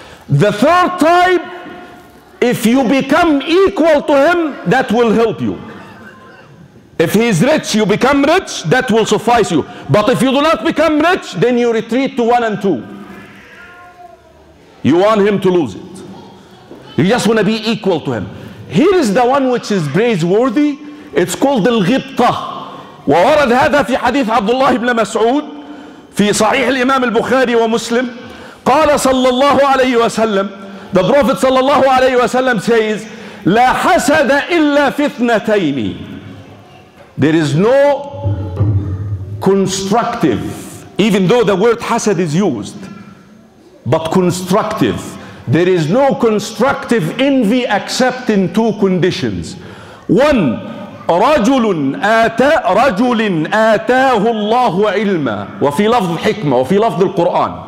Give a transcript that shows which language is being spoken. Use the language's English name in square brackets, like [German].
[English] The third type, if you become equal to him, that will help you. If he is rich, you become rich, that will suffice you. But if you do not become rich, then you retreat to one and two. You want him to lose it. You just want to be equal to him. Here is the one which is praiseworthy. It's called الغبطة. [Arabic] وورد هذا في حديث عبد الله بن مسعود في صحيح الإمام البخاري ومسلم. قال صلى الله عليه وسلم, [English] the Prophet [Arabic] صلى الله عليه وسلم [English] says, [Arabic] لا حسد إلا في اثنتين. [English] There is no constructive, even though the word hasad is used, but constructive. There is no constructive envy except in two conditions. One, [Arabic] رجل آتاه الله علما, وفي لفظ حكمة وفي لفظ القرآن.